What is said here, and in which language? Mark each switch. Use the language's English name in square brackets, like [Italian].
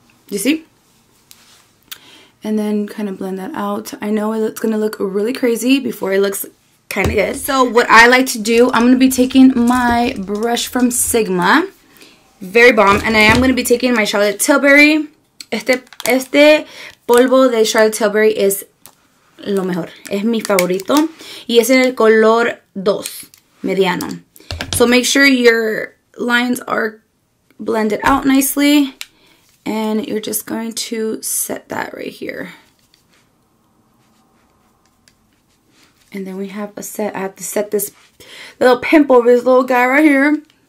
[English] You see? And then kind of blend that out. I know it's going to look really crazy before it looks kind of good. So what I like to do, I'm going to be taking my brush from Sigma. Very bomb. And I am going to be taking my Charlotte Tilbury. [Spanish] Este polvo de Charlotte Tilbury es lo mejor. Es mi favorito. Y es en el color 2, mediano. [English] So make sure your lines are blended out nicely. And you're just going to set that right here. And then we have a set. I have to set this little pimple, this little guy right here.